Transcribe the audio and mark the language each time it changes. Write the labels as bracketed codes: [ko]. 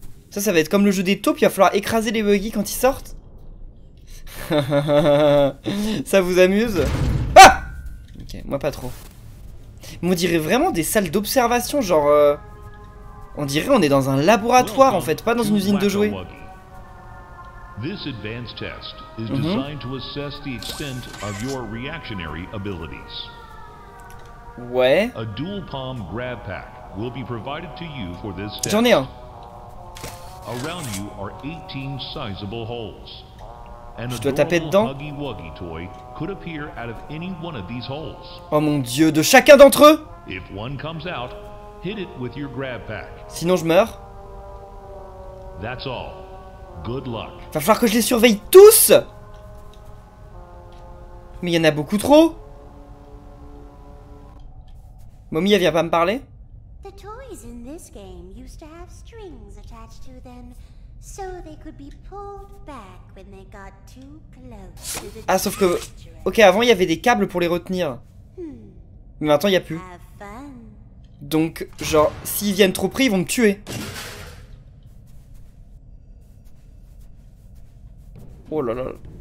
[fr] Ça va être comme le jeu des taupes, il va falloir écraser les buggy quand ils sortent. Ça vous amuse? Ah! Ok, moi pas trop. Mais on dirait vraiment des salles d'observation, genre... On dirait on est dans un laboratoire en fait, pas dans une usine de jouets. [en] This advanced test is designed to assess the extent of your reactionary abilities. Ouais. A dual palm grab pack will be provided to you for this test. J'en ai un. Around you are 18 sizable holes. And a Huggy Wuggy toy could appear out of any one of these holes. Oh mon dieu, de chacun d'entre eux. If one comes out, hit it with your grab pack. Sinon je meurs. That's all. Good luck. [fr] Va falloir que je les surveille tous. Mais il y en a beaucoup trop. Mommy, elle vient pas me parler. [en] The toys in this game used to have strings attached to them, so they could be pulled back when they got too close. [fr] Ah, sauf que... Ok, avant il y avait des câbles pour les retenir. Mais maintenant il y a plus. Donc, genre, s'ils viennent trop près, ils vont me tuer. Oh là là.